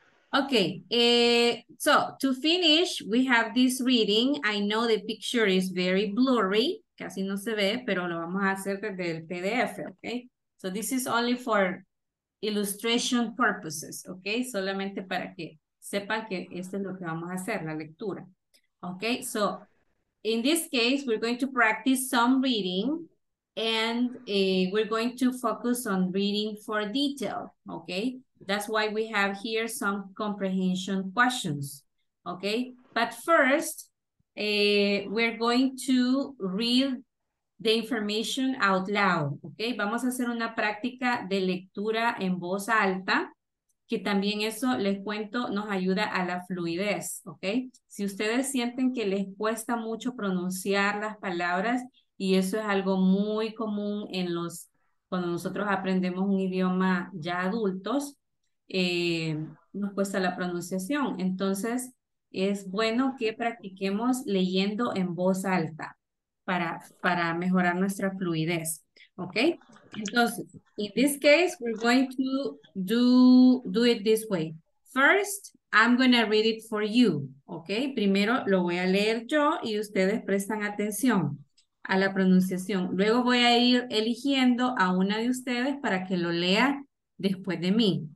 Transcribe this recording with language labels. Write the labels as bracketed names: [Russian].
[English] Ok, so to finish, we have this reading. I know the picture is very blurry. [Spanish] Casi no se ve, pero lo vamos a hacer desde el PDF, ¿ok? [English] So this is only for illustration purposes, ¿ok? [Spanish] Solamente para que sepan que esto es lo que vamos a hacer, la lectura. [English] Okay, so in this case, we're going to practice some reading and we're going to focus on reading for detail, okay? That's why we have here some comprehension questions, okay? But first, we're going to read the information out loud, okay? [Spanish] Vamos a hacer una práctica de lectura en voz alta, que también eso, les cuento, nos ayuda a la fluidez, ¿ok? Si ustedes sienten que les cuesta mucho pronunciar las palabras, y eso es algo muy común en los, cuando nosotros aprendemos un idioma ya adultos, nos cuesta la pronunciación. Entonces, es bueno que practiquemos leyendo en voz alta para mejorar nuestra fluidez. [English] Okay, [Spanish] entonces, [English] in this case, we're going to do it this way. First, I'm going to read it for you, okay? [Spanish] Primero lo voy a leer yo y ustedes prestan atención a la pronunciación. Luego voy a ir eligiendo a una de ustedes para que lo lea después de mí.